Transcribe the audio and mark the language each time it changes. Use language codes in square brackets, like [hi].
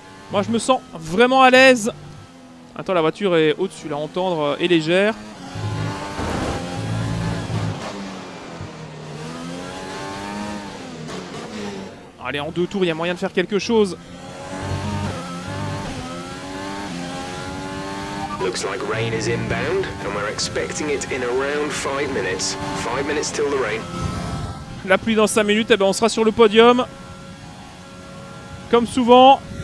[fr] Moi, je me sens vraiment à l'aise. Attends, la voiture est au-dessus, là, entendre est légère. Allez, en 2 tours, il y a moyen de faire quelque chose. [en] Looks like rain is inbound and we're expecting it in around 5 minutes. 5 minutes till the rain. [fr] La pluie dans 5 minutes, eh ben on sera sur le podium. Comme souvent.